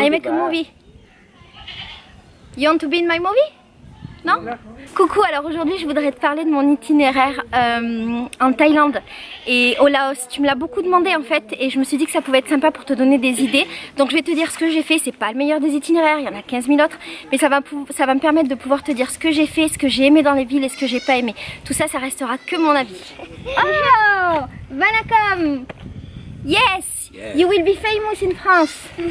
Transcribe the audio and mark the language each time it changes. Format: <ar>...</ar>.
<en>I make a movie. You want to be in my movie?</en> <fr>Non? Coucou, alors aujourd'hui je voudrais te parler de mon itinéraire en Thaïlande et au Laos. Tu me l'as beaucoup demandé en fait et je me suis dit que ça pouvait être sympa pour te donner des idées. Donc je vais te dire ce que j'ai fait, c'est pas le meilleur des itinéraires, il y en a 15 000 autres. Mais ça va me permettre de pouvoir te dire ce que j'ai fait, ce que j'ai aimé dans les villes et ce que j'ai pas aimé. Tout ça, ça restera que mon avis.</fr> <ta>Oh, Vanakam.</ta> <en>Yes, you will be famous in France.</en>